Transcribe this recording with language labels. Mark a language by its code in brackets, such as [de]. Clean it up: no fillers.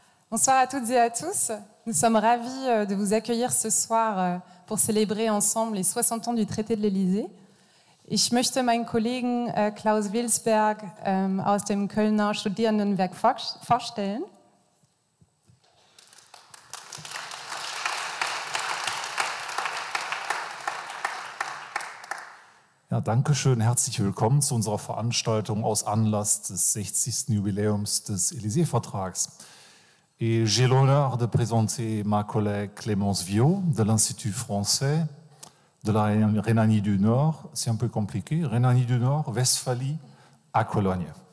[fr] Bonsoir à toutes et à tous. Nous sommes ravis de vous accueillir ce soir pour célébrer ensemble les 60 ans du traité de l'Elysée. [de] Ich möchte meinen Kollegen Klaus Wilsberg aus dem Kölner Studierendenwerk vorstellen. Ja, danke schön, herzlich willkommen zu unserer Veranstaltung aus Anlass des 60. Jubiläums des Élysée-Vertrags. [fr] Et j'ai l'honneur de présenter ma collègue Clémence Viau de l'Institut français de la Rhénanie du Nord. C'est un peu compliqué, Rhénanie du Nord, Westphalie, à Cologne.